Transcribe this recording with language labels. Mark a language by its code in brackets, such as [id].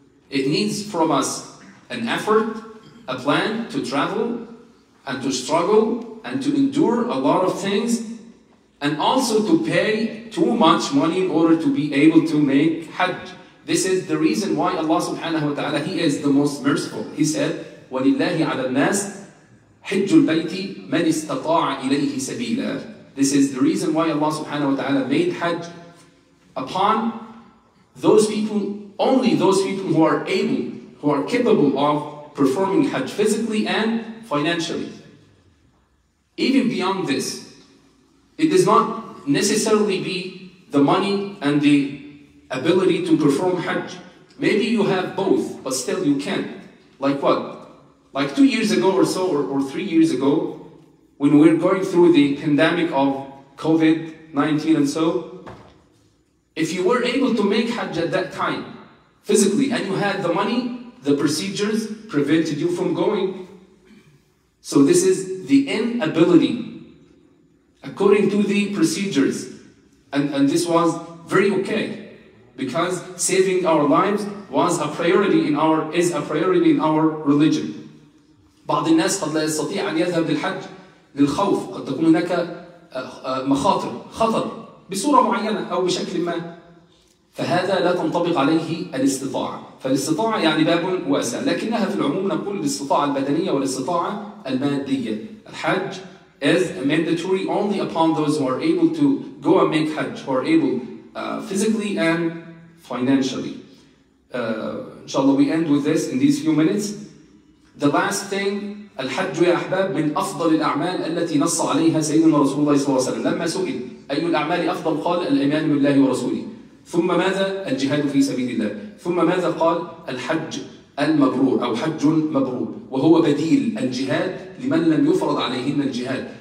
[en] It needs from us an effort, a plan to travel and to struggle and to endure a lot of things, and also to pay too much money in order to be able to make Hajj. This is the reason why Allah subhanahu wa ta'ala, He is the most merciful. He said, [ar] وَلِلَّهِ عَلَى النَّاسِ حِجُّ الْبَيْتِ مَنْ إِسْتَطَاعَ إِلَيْهِ سَبِيلًا. [en] This is the reason why Allah subhanahu wa ta'ala made Hajj upon those people, only those people who are able, who are capable of performing Hajj physically and financially. Even beyond this, it does not necessarily be the money and the ability to perform Hajj. Maybe you have both, but still you can't. Like what? Like 2 years ago or so, or 3 years ago, when we're going through the pandemic of COVID-19 and so, if you were able to make Hajj at that time, physically, and you had the money, the procedures prevented you from going. So this is the inability, according to the procedures. And this was very okay, because saving our lives was a priority in our, is a priority in our religion. [ar] بعض الناس قد لا يستطيع أن يذهب للحج للخوف، قد تكون هناك مخاطر، خطر بصورة معينة أو بشكل ما، فهذا لا تنطبق عليه الاستطاعة. فالاستطاعة يعني باب واسع، لكنها في العموم نقول الاستطاعة البدنية والاستطاعة المادية. [en] الحج is mandatory only upon those who are able to go and make Hajj, who are able physically and financially. Inshallah, we end with this in these few minutes. The last thing, [ar] الحج يا أحباب من أفضل الأعمال التي نص عليها سيدنا رسول الله صلى الله عليه وسلم. لما سئل أي الأعمال أفضل قال الإيمان بالله ورسوله. ثم ماذا؟ الجهاد في سبيل الله. ثم ماذا قال؟ الحج المبرور أو حج مبرور، وهو بديل الجهاد لمن لم يفرض عليهن الجهاد.